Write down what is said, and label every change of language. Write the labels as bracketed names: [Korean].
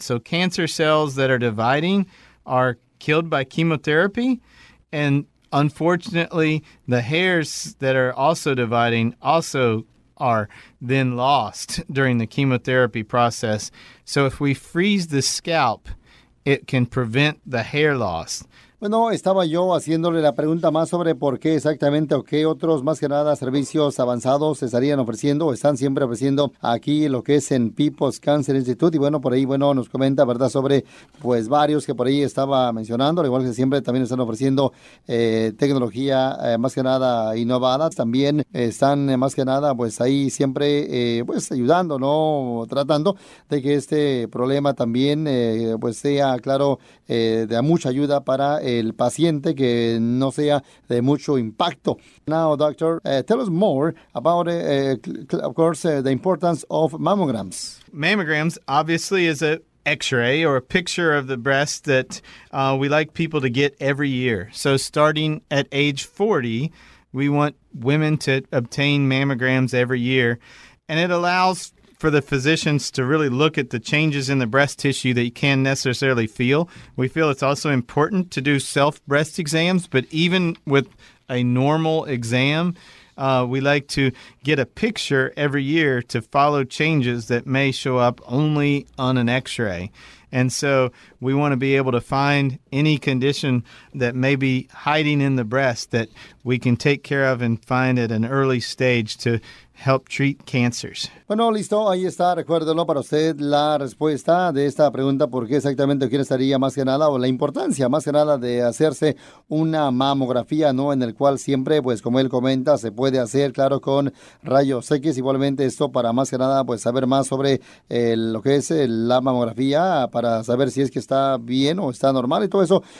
[English] So cancer cells that are dividing are killed by chemotherapy. And unfortunately, the hairs that are also dividing also are then lost during the chemotherapy process. So if we freeze the scalp, it can prevent the hair loss. [Spanish] Bueno, estaba yo haciéndole la pregunta más sobre por qué exactamente o qué otros más que nada servicios avanzados estarían ofreciendo o están siempre ofreciendo aquí lo que es en PIPOS Cancer Institute. Y bueno, por ahí, bueno, nos comenta, ¿verdad?, sobre pues varios que por ahí estaba mencionando, al igual que siempre también están ofreciendo tecnología más que nada innovada. También están más que nada pues ahí siempre pues ayudando, ¿no?, tratando de que este problema también pues sea, claro, de mucha ayuda para el paciente, que no sea de mucho impacto. [English] Now, doctor, tell us more about, of course, the importance of mammograms. Mammograms, obviously, is an x-ray or a picture of the breast that we like people to get every year. So starting at age 40, we want women to obtain mammograms every year. And it allows for the physicians to really look at the changes in the breast tissue that you can't necessarily feel. We feel it's also important to do self-breast exams, but even with a normal exam, we like to get a picture every year to follow changes that may show up only on an x-ray. And so we want to be able to find any condition that may be hiding in the breast that we can take care of and find at an early stage to help treat cancers. [Spanish] Bueno, listo. Ahí está. Recuérdelo para usted la respuesta de esta pregunta. ¿Por qué exactamente? ¿Quién estaría más que nada? O la importancia más que nada de hacerse una mamografía, ¿no? En el cual siempre, pues como él comenta, se puede hacer, claro, con rayos X. Igualmente esto para más que nada, pues saber más sobre lo que es la mamografía, para saber si es que está bien o está normal y todo eso.